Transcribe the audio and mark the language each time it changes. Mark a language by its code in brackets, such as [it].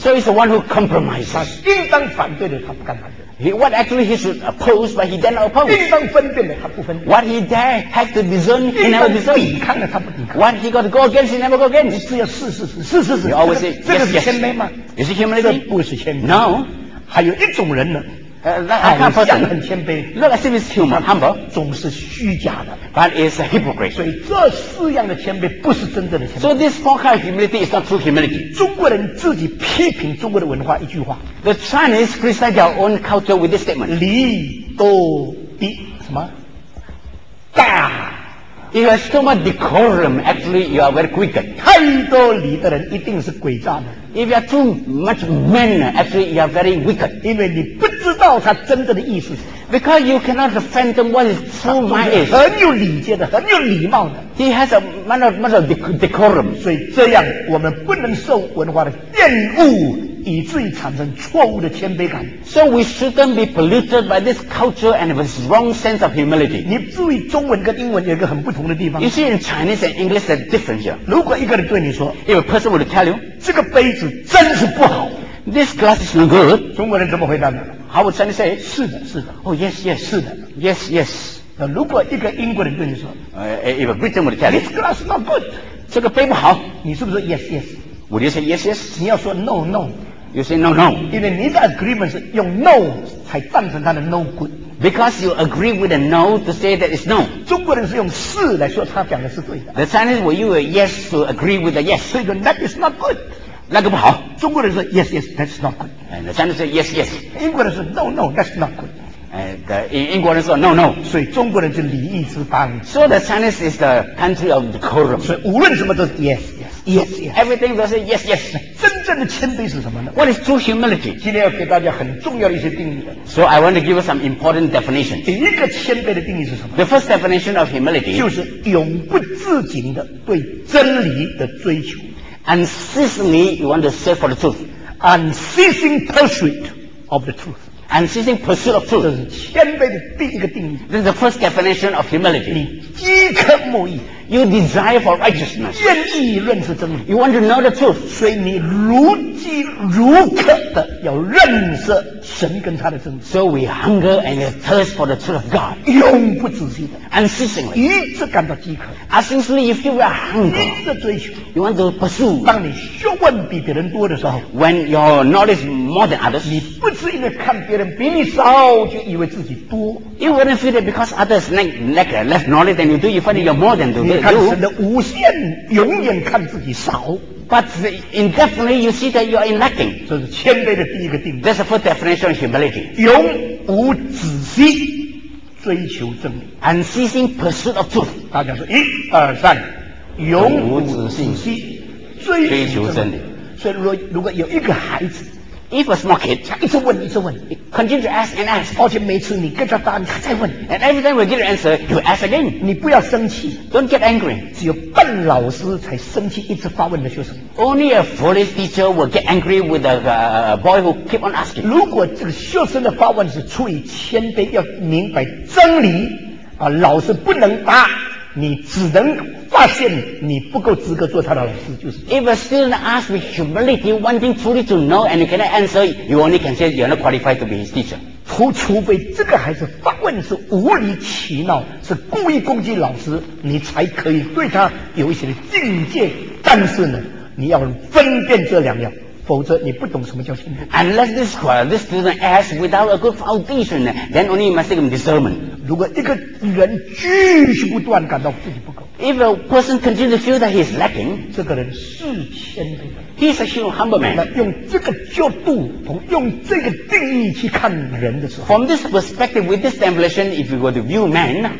[en] So he's the one who compromises. [zh] 他应当反对的，他不敢反对。 [en] What actually he should oppose, but he dare not oppose. [zh] 应当分辨的，他不分辨。 [en] What he dare have to discern, he never discern. [zh] 抵抗的，他不抵抗。 [en] What he got to go against, he never go against. [zh] 你只要试试试试试试。 [en] You always say, [zh] 这个是谦卑吗？ [en] Is it humility? [zh] 这不是谦卑。 [en] No. [zh] 还有一种人呢。 [en] That person is [zh] 很谦卑。 [en] Look as if he's human, humble. [zh] 总是虚假的。 [en] But it's a hypocrite. [zh] 所以这四样的谦卑不是真正的谦卑。 [en] So this four kind of humility is not true humility. [zh] 中国人自己批评中国的文化一句话。 [en] The Chinese criticize their own culture with this statement. [zh] 礼多的什么？大。 [en] If you have so much decorum, actually you are very quick. [zh] 太多礼的人一定是诡诈的。 [en] If you are too much manner, actually you are very wicked. [zh] 因为你不知道他真正的意思。 [en] Because you cannot fathom what his true mind is. [zh] 很有礼节的，很有礼貌的。 [en] He has a manner of decorum. [zh] 所以这样我们不能受文化的玷污，以至于产生错误的谦卑感。 [en] So we shouldn't be polluted by this culture and this wrong sense of humility. [zh] 你注意中文跟英文有一个很不同的地方。 [en] You see in Chinese and English there's a difference here. [zh] 如果一个人对你说， [en] If a person would tell you, [zh] 这个杯子真是不好。 [en] This glass is no good. [zh] 中国人怎么回答呢？ [en] How would Chinese say? [zh] 是的，是的。 [en] Oh yes, yes. [zh] 是的。 [en] Yes, yes. [zh] 那如果一个英国人对你说， [en] If a Briton would tell you, This glass is not good. [zh] 这个杯不好。你是不是 [en] yes, yes? Would you say yes, yes? [zh] 你要说 [en] no, no. You say no, no. [zh] 因为你的 agreement 是用 no 才赞成他的 [en] no good. Because you agree with a no to say that it's no. [zh] 中国人是用是来说他讲的是对的。 [en] The Chinese will use a yes to agree with a yes. [zh] 所以说 [en] that is not good. [zh] 那个不好。中国人说 [en] yes, yes, that's not good. And the Chinese say yes, yes. [zh] 英国人说 [en] no, no, that's not good. And the English say no, no. [zh] 所以中国人就礼仪之邦。 [en] So the Chinese is the country of decorum. [zh] 所以无论什么都是 yes, yes, yes, yes. [en] Everything they say yes, yes. [zh] 真的谦卑是什么呢？ [en] What is true humility? [zh] 今天要给大家很重要的一些定义的。 [en] So I want to give you some important definition. [zh] 第一个谦卑的定义是什么？ [en] The first definition of humility [zh] 就是永不自禁的对真理的追求。 [en] Unceasingly you want to search for the truth. Unceasing pursuit of the truth. Unceasing pursuit of truth. [zh] 这是谦卑的第一个定义。 [en] This is the first definition of humility. [zh] 你饥渴慕义。 [en] You desire for righteousness. [zh] 愿意认识真理。 [en] You want to know the truth. [zh] 所以你如饥如渴的要认识神跟他的真理。 [en] So we hunger and thirst for the truth of God. [zh] 永不止息的。 [en] Unceasingly. [zh] 一直感到饥渴。 [en] Unceasingly, you feel we are hungry. [zh] 一直追求。 [en] You want to pursue. [zh] 当你学问比别人多的时候。 [en] When your knowledge is more than others. [zh] 你不是因为看别人比你少就以为自己多。 [en] You wouldn't feel that because others lack less knowledge than you do. You find that you're more than those. [zh] 你看神的无限永远看自己少 [en] But indefinitely you see that you are in lacking [zh] 这是谦卑的第一个定义 [en] That's the first definition of humility [zh] 永无止息追求真理 [en] Unceasing pursuit of truth [zh] 大家说一二三永无止息追求真理所以如果有一个孩子 [en] If a small kid, [zh] 一直问一直问 [en] ，continue to ask and ask， [zh] 而且每次你跟他答，你还在问 [en] ，and every time we get an answer， you ask again， [zh] 你不要生气 [en] ，don't get angry， [zh] 只有笨老师才生气，一直发问的学生 [en] ，only a foolish teacher will get angry with a boy who keep on asking。 [zh] 如果这个学生的发问是出于谦卑，要明白真理，啊，老师不能答，你只能。发现你不够资格做他的老师，就是。 [en] If a student asks with humility, wanting truly to know, and you cannot answer, you only can say you're not qualified to be his teacher. [zh] 除非这个孩子发问是无理取闹，是故意攻击老师，你才可以对他有一些的境界。但是呢，你要分辨这两样。否则你不懂什么叫谦卑。 [en] Unless this student asks without a good foundation, then only you must take a discernment. [zh] 如果一个人继续不断感到自己不够 [en] ，If a person continues to feel that he is lacking, [zh] 这个人是谦卑的。 [en] He is a humble man. [zh] 那用这个角度，从用这个定义去看人的时候 [en] ，From this perspective, with this definition, if you were to view man,